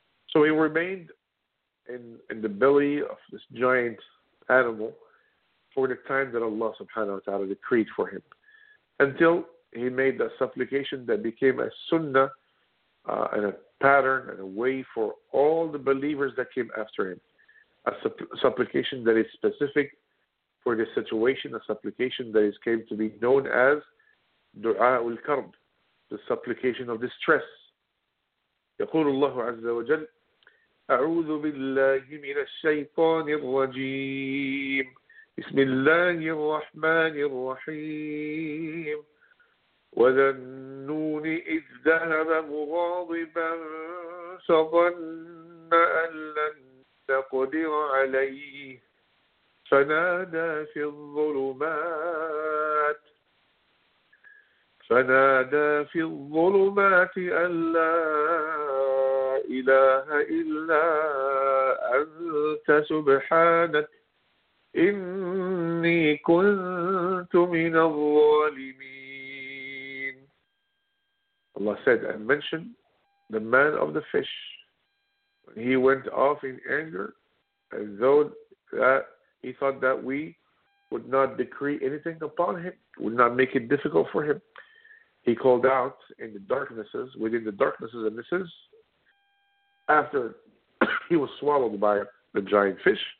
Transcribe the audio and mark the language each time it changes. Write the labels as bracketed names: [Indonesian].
[English] So he remained in the belly of this giant animal for the time that Allah subhanahu wa ta'ala decreed for him, until he made the supplication that became a sunnah and a pattern and a way for all the believers that came after him. A supplication that is specific for this situation, a supplication that is came to be known as Dua ul-Karb, the supplication of distress. [Arabic] يقول الله عز وجل أعوذ بالله من الشيطان الرجيم بسم الله الرحمن الرحيم وذا النون إذ ذهب مغاضبا فظن أن لن تقدر عليه فنادى في الظلمات أن لا إله إلا أنت سبحانك إني كنت من الظالمين. [English] Allah said and mentioned the man of the fish. He went off in anger as though that he thought that we would not decree anything upon him, would not make it difficult for him. He called out in the darknesses, within the darknesses, and this is after he was swallowed by the giant fish.